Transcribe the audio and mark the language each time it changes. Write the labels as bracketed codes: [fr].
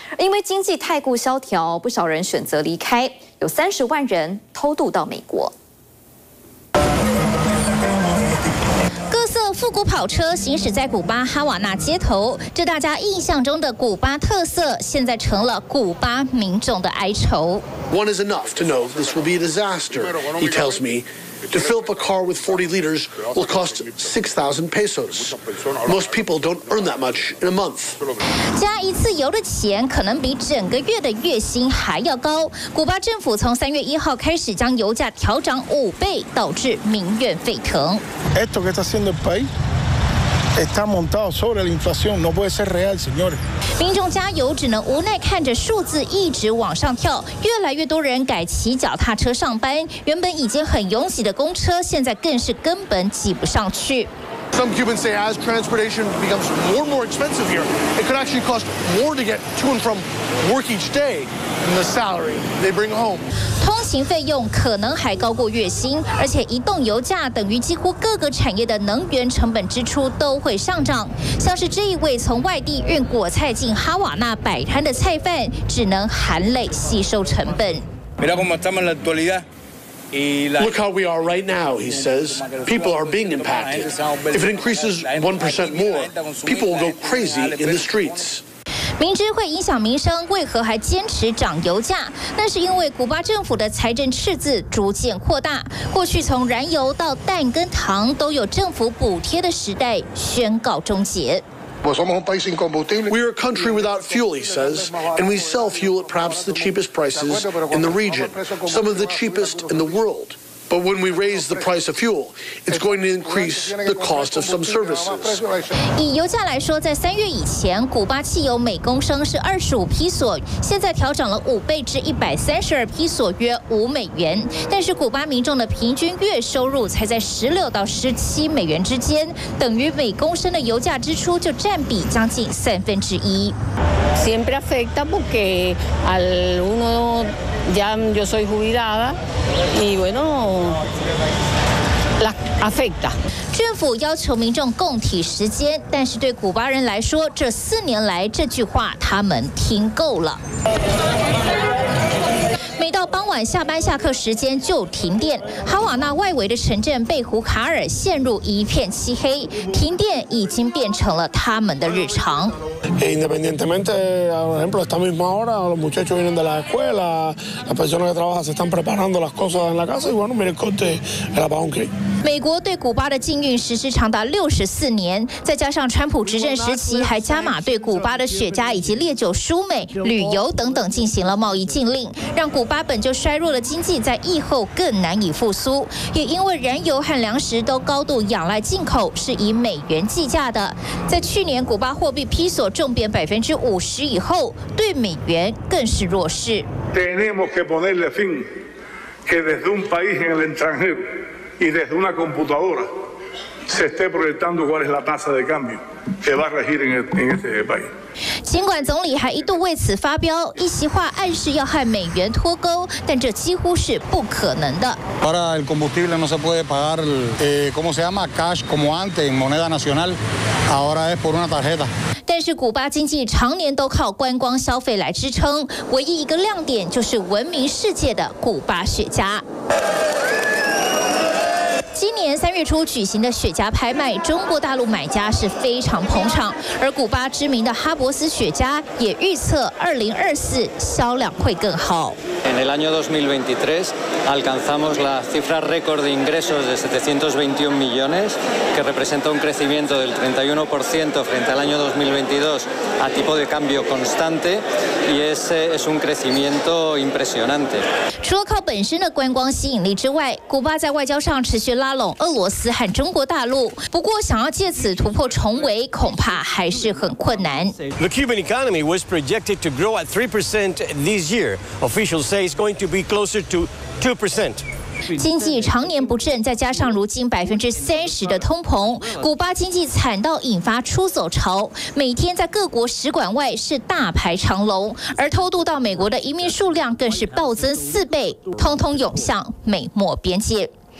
[zh] 因为经济太过萧条，不少人选择离开，有30万人偷渡到美国。复古跑车行驶在古巴哈瓦那街头，这大家印象中的古巴特色，现在成了古巴民众的哀愁。 [en] One is enough to know this will be a disaster, he tells me. To fill up a car with 40 liters will cost 6,000 pesos. Most people don't earn that much in a month. [zh] 加一次油的钱可能比整个月的月薪还要高。古巴政府从3月1日开始将油价调涨5倍，导致民怨沸腾。 [es] Esto que está haciendo el país. Está montado sobre la inflación, no puede ser real, señores. [zh] 民众加油只能无奈看着数字一直往上跳，越来越多人改骑脚踏车上班，原本已经很拥挤的公车现在更是根本挤不上去。 [en] Some Cubans say as transportation becomes more and more expensive here, it could actually cost more to get to and from work each day than the salary they bring home. [zh] 行费用可能还高过月薪，而且移动油价等于几乎各个产业的能源成本支出都会上涨。像是这一位从外地运果菜进哈瓦那摆摊的菜贩，只能含泪吸收成本。 [en] Look how we are right now, he says. People are being impacted. If it increases 1% more, people will go crazy in the streets. [zh] 明知会影响民生，为何还坚持涨油价？那是因为古巴政府的财政赤字逐渐扩大，过去从燃油到蛋跟糖都有政府补贴的时代宣告终结。 [en] We are a country without fuel, he says, and we sell fuel at perhaps the cheapest prices in the region, some of the cheapest in the world. But when we raise the price of fuel, it's going to increase the cost of some services. [zh] 以油价来说，在三月以前，古巴汽油每公升是25披索，现在调涨了5倍至132披索，约5美元。但是古巴民众的平均月收入才在16到17美元之间，等于每公升的油价支出就占比将近1/3。 [es] Siempre afecta porque al uno ya yo soy jubilada y bueno. afecta. [zh] 政府要求民众共体时间，但是对古巴人来说，这四年来这句话他们听够了。每到傍晚下班下课时间就停电，哈瓦那外围的城镇贝胡卡尔陷入一片漆黑，停电已经变成了他们的日常。 [es] Independientemente, por ejemplo, esta misma hora los muchachos vienen de la escuela, las personas que trabajan se están preparando las cosas en la casa y bueno, miren corte el apagón que hay. [zh] 美国对古巴的禁运实施长达64年，再加上川普执政时期还加码对古巴的雪茄以及烈酒输美、旅游等等进行了贸易禁令，让古巴本就衰弱的经济在疫后更难以复苏，也因为燃油和粮食都高度仰赖进口，是以美元计价的。在去年古巴货币披索重贬50%以后，对美元更是弱势。 [es] Tenemos que ponerle fin que desde un país en el extranjero y desde una computadora se esté proyectando cuál es la tasa de cambio que va a regir en este país. [zh] 尽管总理还一度为此发飙，一席话暗示要和美元脱钩，但这几乎是不可能的。 [es] Para el combustible no se puede pagar, ¿cómo se llama? Cash, como antes, en moneda nacional. Ahora es por una tarjeta. [zh] 但是古巴经济常年都靠观光消费来支撑，唯一一个亮点就是闻名世界的古巴雪茄。今年三月初举行的雪茄拍卖，中国大陆买家是非常捧场，而古巴知名的哈伯斯雪茄也预测2024销量会更好。 [es] En el año 2023 alcanzamos la cifra récord de ingresos de 721 millones, que representa un crecimiento del 31% frente al año 2022 a tipo de cambio constante, y ese es un crecimiento impresionante. [zh] 除了靠本身的观光吸引力之外，古巴在外交上持续拉拢俄罗斯和中国大陆，不过想要借此突破重围，恐怕还是很困难。 [en] The Cuban economy was projected to grow at 3% this year. Officials say it's going to be closer to 2%. [zh] 经济常年不振，再加上如今30%的通膨，古巴经济惨到引发出走潮，每天在各国使馆外是大排长龙，而偷渡到美国的移民数量更是暴增4倍，通通涌向美墨边界。